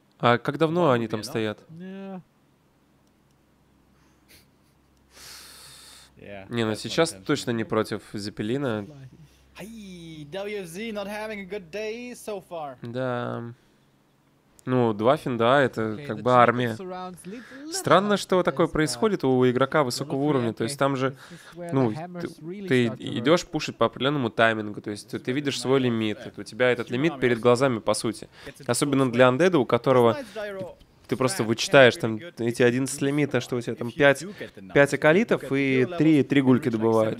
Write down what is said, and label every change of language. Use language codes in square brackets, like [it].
[ru] А как давно они там стоят? Yeah, не, ну сейчас точно не против Зеппелина. [en] WFZ not having a good day so far. [ru] Да. Ну, два финда, это как бы армия. Странно, что такое происходит у игрока высокого уровня. То есть там же, ну, ты идешь пушить по определенному таймингу. То есть ты видишь свой лимит. У тебя этот лимит перед глазами, по сути. Особенно для андеда, у которого... Ты просто вычитаешь там эти 11 лимита, что у тебя там 5 акалитов и 3 гульки добывают.